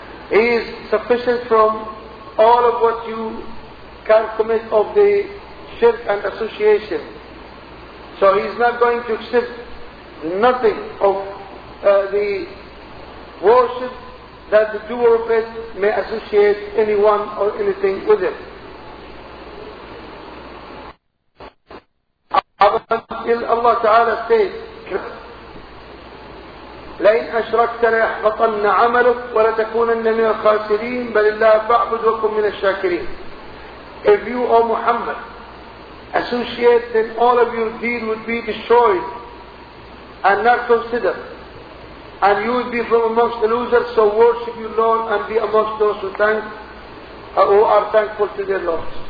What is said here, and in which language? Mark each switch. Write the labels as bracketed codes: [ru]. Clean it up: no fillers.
[en] He is sufficient from all of what you can commit of the shirk and association. So he is not going to accept nothing of the worship that the doer of it may associate anyone or anything with it. Allah Ta'ala says, [ar] لَئِنْ أَشْرَكْتَ لَيَحْبَطَنَّ عَمَلُكَ وَلَتَكُونَنَّ مِنَ الْخَاسِرِينَ بَلِ اللَّهَ فَاعْبُدْ وَكُمْ مِنَ الشَّاكِرِينَ. [en] If you, O Muhammad, associate, then all of your deed would be destroyed and not considered, and you would be from amongst the losers. So worship your Lord and be amongst those who are thankful to their Lord.